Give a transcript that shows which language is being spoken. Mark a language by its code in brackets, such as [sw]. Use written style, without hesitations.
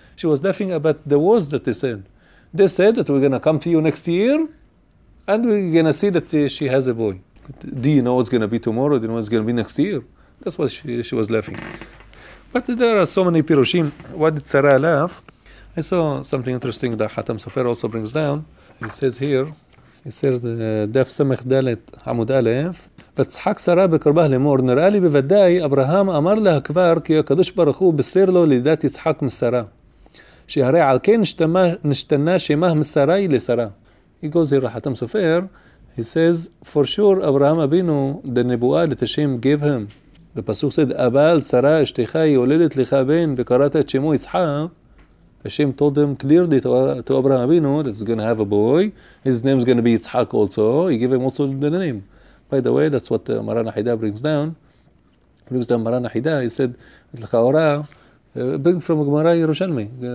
[en] She was laughing about the words that they said. They said that we're going to come to you next year, and we're going to see that she has a boy. Do you know what's going to be tomorrow? Do you know what's going to be next year? That's what she was laughing. But there are so many pirushim. Why did Sarah laugh? I saw something interesting that Hatam Sofer also brings down. He says here, [he] Daf Samech Dalet Hamud Alef, ותצחק שרה בקרבה לאמור, נראה לי בוודאי, אברהם אמר לה כבר כי הקדוש ברוך הוא בשר לו לידת יצחק משרה. שהרי על כן נשתנה שמה משרה היא לשרה. [en] He goes here, חתם סופר, he says, for sure, אברהם אבינו, the [he] נבואה לתשם [en] give him. [he] בפסוק [en] said, [he] אבל שרה אשתך היא הולדת לך בן, וקראת את שמו יצחק. [en] Hashem told him clearly to Abraham Avinu that he's going to have a boy. His name is going to be Yitzhak also. He gave him also the name. By the way, that's what Maran Ahidah brings down. Maran Ahidah, he said, L'chaora, bring from Gemara Yerushalmi.